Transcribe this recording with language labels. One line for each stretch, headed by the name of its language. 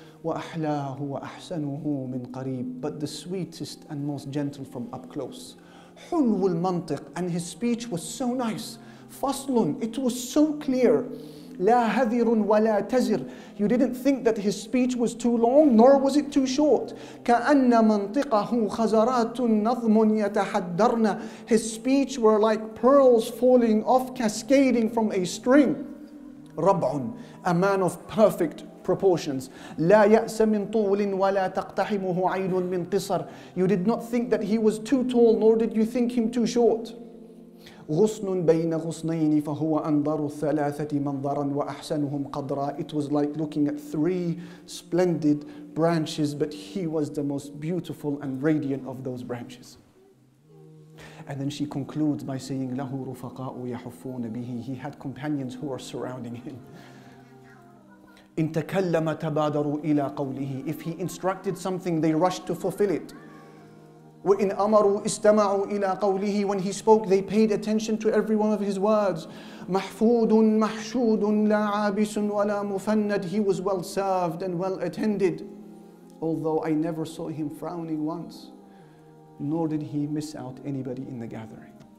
Arabic: وَأَحْلَاهُ وَأَحْسَنُهُ مِنْ قَرِيبٍ.
English: But the sweetest and most gentle from up close.
Arabic: حُلْوُ الْمَنْطِقِ.
English: And his speech was so nice.
Arabic: فَصْلٌ.
English: It was so clear.
Arabic: لا هذر ولا تزر.
English: You didn't think that his speech was too long, nor was it too short.
Arabic: كأن منطقه خزرات نظم يتحدرن.
English: His speech were like pearls falling off, cascading from a string. ربع, a man of perfect proportions.
Arabic: لا يأس من طول ولا تقتحمه عين من قصر.
English: You did not think that he was too tall, nor did you think him too short.
Arabic: غصن بين غصنين فهو أنظر الثلاثة منظرا وأحسنهم قدرا.
English: It was like looking at three splendid branches, but he was the most beautiful and radiant of those branches. And then she concludes by saying,
Arabic: له رفقاء يحفون به.
English: He had companions who were surrounding him.
Arabic: إن تكلم تبادروا إلى قوله.
English: If he instructed something, they rushed to fulfill it.
Arabic: وَإِنْ أَمَرُوا إِسْتَمَعُوا إِلَىٰ قَوْلِهِ.
English: When he spoke, they paid attention to every one of his words.
Arabic: مَحْفُودٌ مَحْشُودٌ لَا عَابِسٌ وَلَا مُفَنَّدٌ.
English: He was well served and well attended. Although I never saw him frowning once, nor did he miss out anybody in the gathering.